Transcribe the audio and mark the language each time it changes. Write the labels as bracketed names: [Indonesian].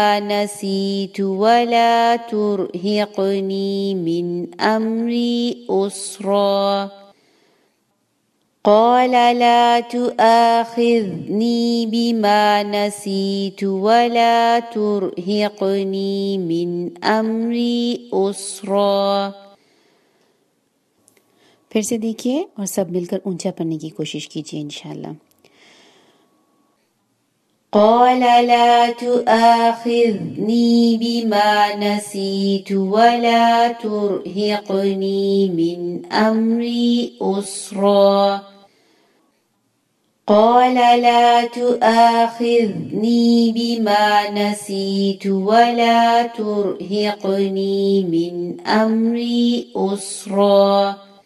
[Arabic] نسيت ولا ترهقني من أمري أسرا قال لا تؤاخذني بما نسيت ولا ترهقني من أمري أسرا [Urdu] پھر سے دیکھیے اور سب مل کر اونچا پڑھنے کی کوشش کیجیے انشاءاللہ. [Arabic] قال لا تؤاخذني بما نسيت ولا ترهقني من أمري أسرا قال لا تؤاخذني بما نسيت ولا ترهقني من أمري أسرا